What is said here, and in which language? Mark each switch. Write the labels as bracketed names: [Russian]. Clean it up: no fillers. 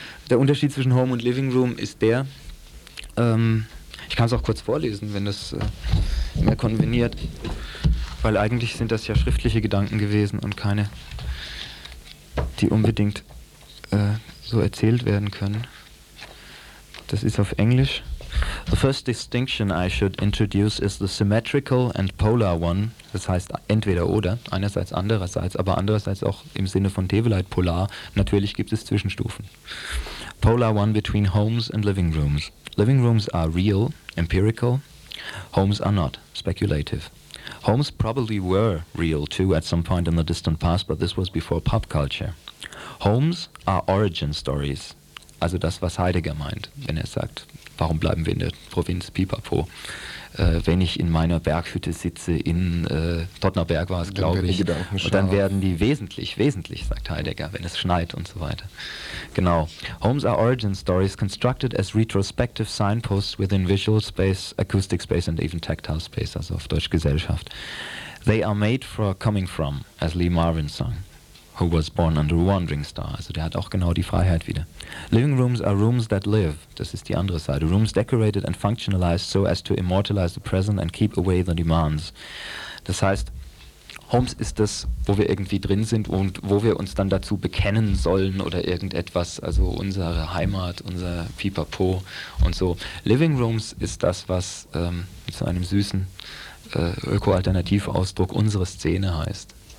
[German] Der Unterschied zwischen Home und Living Room ist der, ich kann es auch kurz vorlesen, wenn das mehr konveniert, weil eigentlich sind das ja schriftliche Gedanken gewesen und keine, die unbedingt so erzählt werden können. Das ist auf Englisch. [English] The first distinction I should introduce is the symmetrical and polar one, [German] das heißt entweder oder, einerseits andererseits, aber andererseits auch im Sinne von Tevelite polar, natürlich gibt es Zwischenstufen. [English] Polar one between homes and living rooms. Living rooms are real, empirical. Homes are not, speculative. Homes probably were real too at some point in the distant past, but this was before pop culture. Homes are origin stories. [German] Also das, was Heidegger meint, wenn er sagt, warum bleiben wir in der Provinz Pipapo, wenn ich in meiner Berghütte sitze, in Tottnerberg war es, glaube ich, und dann werden die wesentlich, wesentlich, sagt Heidegger, wenn es schneit und so weiter. Genau. [English] Homes are origin stories constructed as retrospective signposts within visual space, acoustic space and even tactile space, [German] also auf Deutsch Gesellschaft. [English] They are made for coming from, as Lee Marvin sang. Who was born under a wandering star, [German] also der hat auch genau die Freiheit wieder. [English] Living rooms are rooms that live, [German] das ist die andere Seite. [English] Rooms decorated and functionalized so as to immortalize the present and keep away the demands. [German] Das heißt, Homes ist das, wo wir irgendwie drin sind und wo wir uns dann dazu bekennen sollen oder irgendetwas, also unsere Heimat, unser Pipapo und so. Living rooms ist das, was mit so einem süßen Öko-Alternativ-Ausdruck unsere Szene heißt.